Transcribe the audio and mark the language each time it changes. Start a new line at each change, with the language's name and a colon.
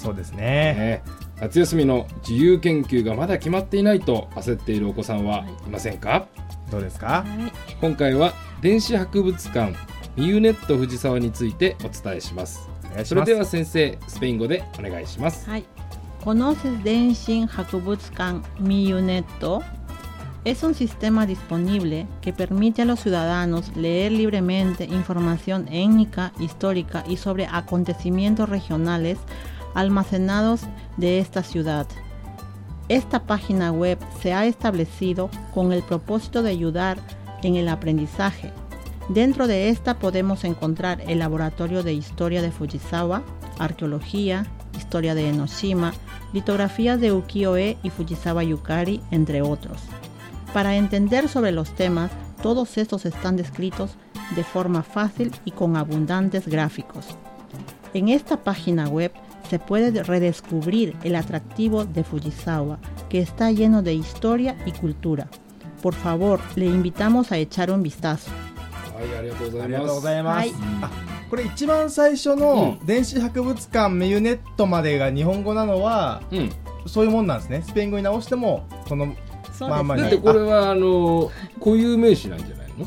Japanese: そうですね、夏休みの自由研究がまだ決まっていないと焦っているお子さんはいませんか？どうですか？今回は電子博物館ミユネット藤沢についてお伝えします。それでは先生、スペイン語でお願いします。はい、この電子博物館ミユネット
Spanish: Es un sistema disponible que permite a los ciudadanos leer libremente información étnica, histórica y sobre acontecimientos regionales almacenados de esta ciudad. Esta página web se ha establecido con el propósito de ayudar en el aprendizaje. Dentro de esta podemos encontrar el laboratorio de historia de Fujisawa, arqueología, historia de Enoshima, litografías de ukiyo-e y Fujisawa Yukari, entre otros. Para entender sobre los temas, todos estos están descritos de forma fácil y con abundantes gráficos. En esta página web se puede redescubrir el atractivo de Fujisawa, que está lleno de historia y cultura. Por favor, le invitamos a echar un vistazo.
Japanese: ありがとうございます。これ一番最初の電子博物館メユネットまでが日本語なのは、そういうもんなんですね。スペイン語に直してもこのまあまあ、だってこれは固有名詞なんじゃないの？